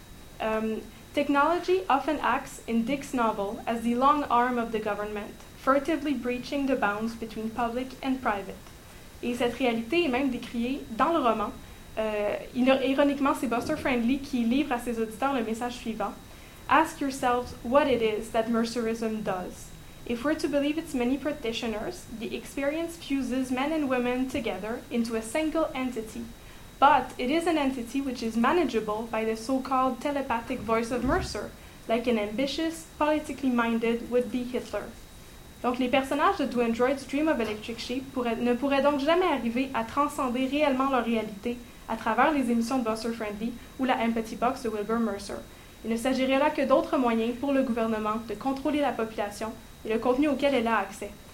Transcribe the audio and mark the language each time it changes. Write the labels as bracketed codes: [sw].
[en] » Technology often acts in Dick's novel as the long arm of the government, furtively breaching the bounds between public and private. [fr] Et cette réalité est même décriée dans le roman. Ironiquement, c'est Buster Friendly qui livre à ses auditeurs le message suivant. [en] « Ask yourselves what it is that Mercerism does. » If we're to believe its many practitioners, the experience fuses men and women together into a single entity. But it is an entity which is manageable by the so-called telepathic voice of Mercer, like an ambitious, politically minded would-be Hitler. [fr] Donc les personnages de Do Androids Dream of Electric Sheep ne pourraient donc jamais arriver à transcender réellement leur réalité à travers les émissions de Buster Friendly ou la Empathy Box de Wilbur Mercer. Il ne s'agirait là que d'autres moyens pour le gouvernement de contrôler la population et le contenu auquel elle a accès.